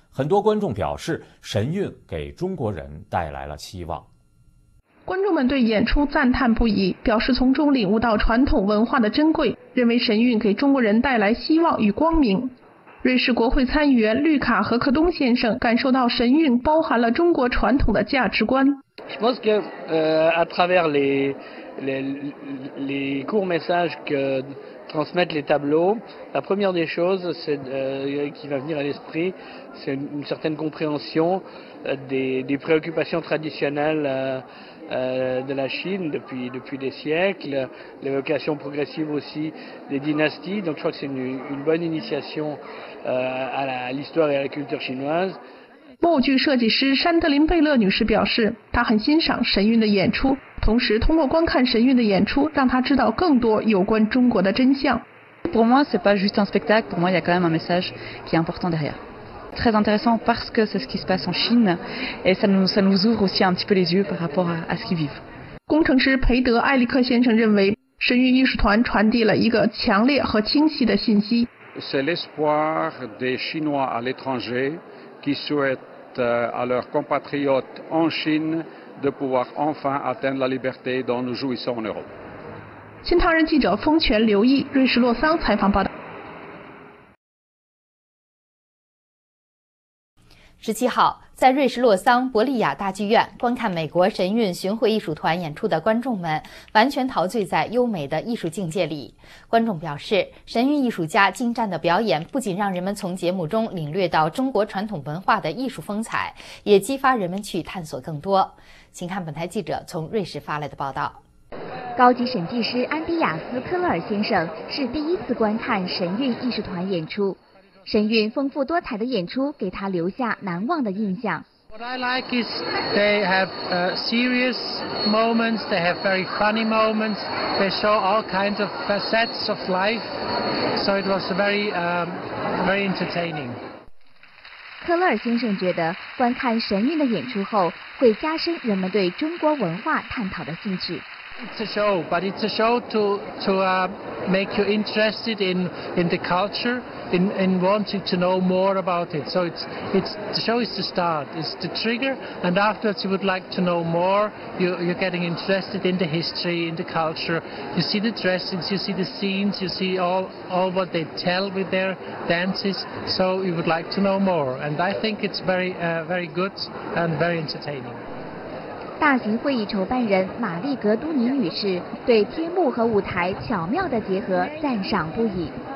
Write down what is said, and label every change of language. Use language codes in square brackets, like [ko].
[zh] 很多观众表示，神韵给中国人带来了希望。观众们对演出赞叹不已，表示从中领悟到传统文化的珍贵，认为神韵给中国人带来希望与光明。瑞士国会参议员绿卡和克东先生感受到神韵包含了中国传统的价值观。 [fr] Je pense que, à travers les courts messages que transmettent les tableaux, la première des choses qui va venir à l'esprit, c'est une certaine compréhension des préoccupations traditionnelles de la Chine depuis des siècles, l'évocation progressive aussi des dynasties. Donc je crois que c'est une bonne initiation à l'histoire et à la culture chinoise. [zh] 默剧设计师山德林·贝勒女士表示，她很欣赏神韵的演出，同时通过观看神韵的演出，让她知道更多有关中国的真相。 [fr] Pour moi, c'est pas juste un spectacle. Pour moi, il y a quand même un message qui est important derrière. très intéressant parce que c'est ce qui se passe en Chine et ça nous ouvre aussi un petit peu les yeux par rapport à ce qu'ils vivent. [zh] 工程师培德·艾利克先生认为，神韵艺术团传递了一个强烈和清晰的信息。 [fr] C'est l'espoir des Chinois à l'étranger qui souhaitent à leurs compatriotes en Chine de pouvoir enfin atteindre la liberté dont nous jouissons en Europe. [zh] 新唐人记者风泉刘毅，瑞士洛桑采访报道。 17号，在瑞士洛桑伯利亚大剧院观看美国神韵巡回艺术团演出的观众们，完全陶醉在优美的艺术境界里。观众表示，神韵艺术家精湛的表演不仅让人们从节目中领略到中国传统文化的艺术风采，也激发人们去探索更多。请看本台记者从瑞士发来的报道。高级审计师安迪亚斯·科勒尔先生是第一次观看神韵艺术团演出。神韵丰富多彩的演出给他留下难忘的印象。 [en] What I like is they have serious moments, they have very funny moments, they show all kinds of facets of life, so it was very, very entertaining. [zh] 科勒尔先生觉得，观看神韵的演出后，会加深人们对中国文化探讨的兴趣。 [en] It's a show, but it's a show to make you interested in the culture, in wanting to know more about it. So it's the show is the start, it's the trigger, and afterwards you would like to know more. You're getting interested in the history, in the culture. You see the dressings, you see the scenes, you see all what they tell with their dances. So you would like to know more, and I think it's very very good and very entertaining. [zh] 大型会议筹办人玛丽·格都尼女士对天幕和舞台巧妙的结合赞赏不已。